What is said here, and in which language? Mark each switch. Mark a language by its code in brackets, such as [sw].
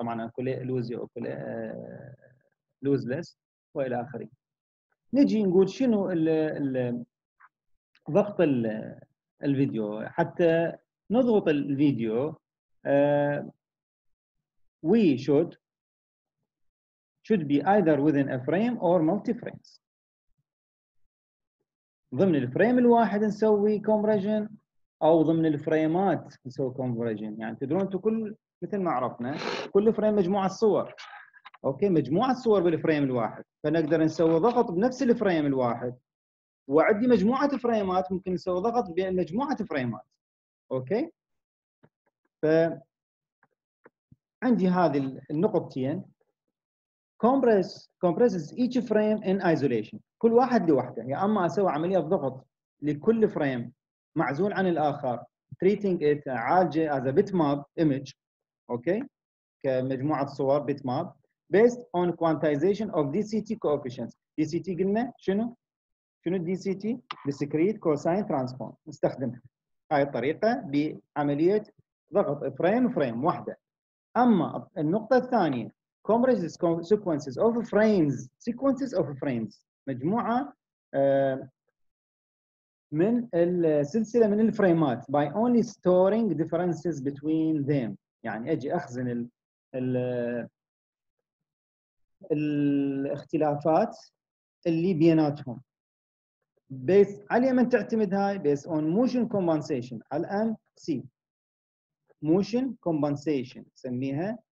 [ar] طبعاً كل لوزي وكل لوزلس وإلى آخره. نجي نقول شنو ضغط الفيديو حتى نضغط الفيديو. [en] we should should be either within a frame or multi frames. [ar] ضمن الفريم الواحد نسوي كومبريجن او ضمن الفريمات نسوي كومبريجن. يعني تدرون انتم كل مثل ما عرفنا كل فريم مجموعه صور، اوكي، مجموعه صور بالفريم الواحد، فنقدر نسوي ضغط بنفس الفريم الواحد وعندي مجموعة فريمات ممكن نسوي ضغط بين مجموعة فريمات. أوكي؟ فعندي هذه النقطتين. [en] Compresses each frame in isolation. [ar] كل واحد لوحده. يا أما أسوي عملية ضغط لكل فريم معزول عن الآخر. [en] Treating it as a bitmap image. [ar] أوكي؟ كمجموعة صور bitmap. [en] Based on quantization of DCT coefficients. DCT [ar] قلنا شنو؟ شنو [en] DCT؟ Discrete Cosine Transform. [ar] نستخدم هاي الطريقة بعملية ضغط frame واحدة. أما النقطة الثانية [en] Compresses sequences of frames. Sequences of frames. [ar] مجموعة من السلسلة من الفريمات. [en] By only storing differences between them. [ar] يعني أجي أخزن الاختلافات اللي بيناتهم. بس على من تعتمد هاي؟ بس [en] on motion compensation. الآن C. Motion compensation. سميها.